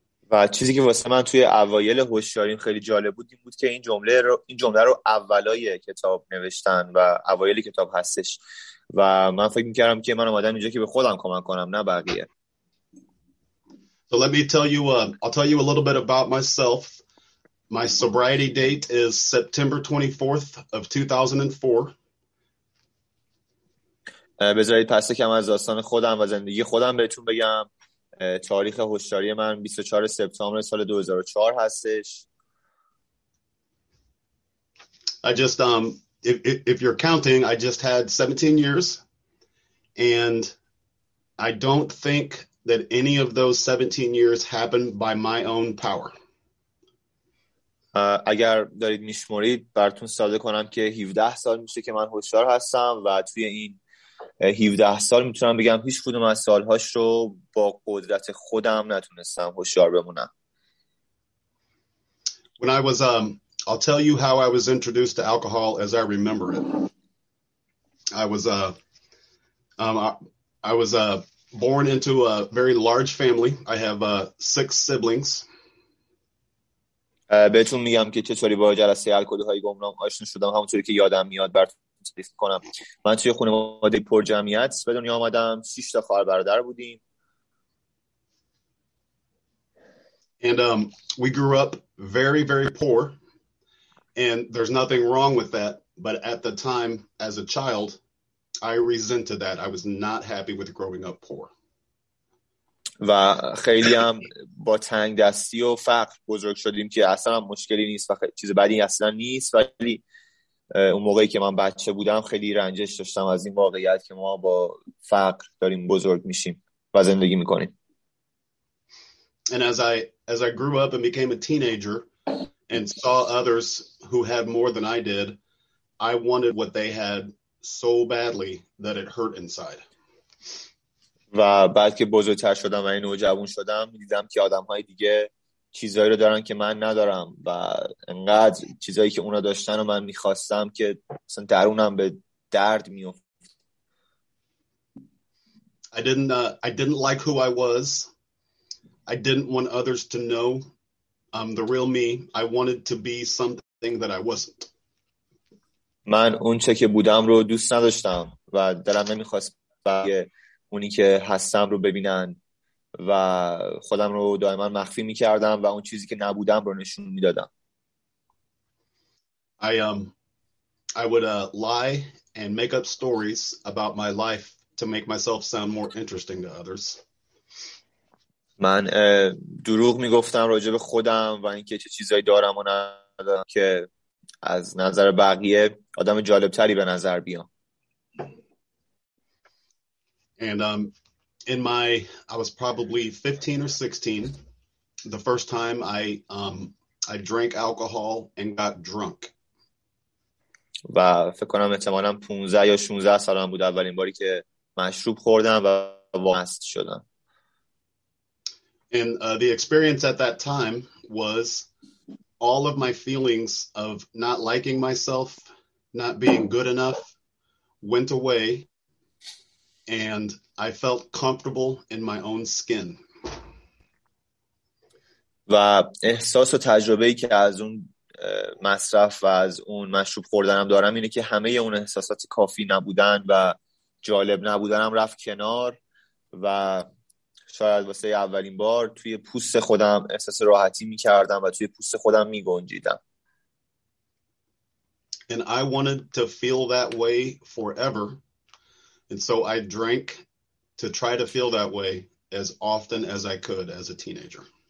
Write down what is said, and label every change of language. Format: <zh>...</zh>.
<fa>و چیزی که واسه من توی اوایل هوشیاری خیلی جالب بود این بود که این جمله رو اولای کتاب نوشتن و اوایل کتاب هستش و من فکر می‌کردم که من اومدم اینجا که به خودم کمک کنم نه بقیه.</fa> <en>So let me tell you I'll tell you a little bit about myself. My sobriety date is September 24th of 2004.</en> <fa>بذارید پس کم از داستان خودم و زندگی خودم بهتون بگم. تاریخ هوشیاری من 24 سپتامبر سال 2004 هستش.</fa> <en>If you're counting, I just had 17 years, and I don't think that any of those 17 years happened by my own power.</en> <fa>اگر دارید میشمرید براتون ساده کنم که 17 سال میشه که من هوشیار هستم و توی این 17 سال میتونم بگم هیچ کدوم از سالهاش رو با قدرت خودم نتونستم هوشیار بمونم.</fa> <en>When I was I'll tell you how I was introduced to alcohol as I remember it. I was born into a very large family. I have 6 siblings.</en> <fa>بهتون میگم که چطوری با جلسه الکلی‌های گمنام آشنا شدم، همونطوری که یادم میاد براتون تعریف کنم. من توی خانواده پر جمعیت به دنیا اومدم. 6 تا خواهر برادر بودیم.</fa> <en>And we grew up very very poor. And there's nothing wrong with that, but at the time, as a child, I resented that. I was not happy with growing up poor.</en> <fa>و خیلی هم با تنگ دستی و فقر بزرگ شدیم که اصلا مشکلی نیست و چیز بدی اصلا نیست، ولی اون موقعی که من بچه بودم خیلی رنجش داشتم از این واقعیت که ما با فقر داریم بزرگ میشیم و زندگی میکنیم.</fa> <en>And as I grew up and became a teenager and saw others who had more than I did, I wanted what they had so badly that it hurt inside.</en> <fa>و بعد که بزرگتر شدم و این نوجوان شدم دیدم که آدم های دیگه چیزهایی رو دارن که من ندارم و انقدر چیزهایی که اونا داشتن و من میخواستم که مثلا درونم به درد میفت.</fa> <en>I didn't like who I was. I didn't want others to know the real me. I wanted to be something that I wasn't.</en> <fa>من اون چه که بودم رو دوست نداشتم و دلم نمیخواست بقیه اونی که هستم رو ببینن و خودم رو دائما مخفی میکردم و اون چیزی که نبودم رو نشون میدادم.</fa> <en>I would lie and make up stories about my life to make myself sound more interesting to others.</en> <fa>من دروغ میگفتم راجع به خودم و اینکه چه چیزایی دارم و ندارم که از نظر بقیه آدم جالب تری به نظر بیام.</fa> <en>And I was probably 15 or 16 the first time I drank alcohol and got drunk.</en> <fa>و فکر کنم احتمالاً 15 یا 16 سالم بود اولین باری که مشروب خوردم و مست شدم.</fa> <en>And the experience at that time was all of my feelings of not liking myself, not being good enough went away and I felt comfortable in my own skin.</en> <fa>و احساس و تجربه‌ای که از اون مصرف و از اون مشروب خوردنم دارم اینه که همه اون احساسات کافی نبودن و جالب نبودنم رفت کنار و شاید واسه اولین بار توی پوست خودم احساس راحتی می‌کردم و توی پوست خودم می‌گنجیدم.</fa> <en>And I wanted to feel that way forever. And so I drank to try to feel that way as often as I could as a teenager.</en>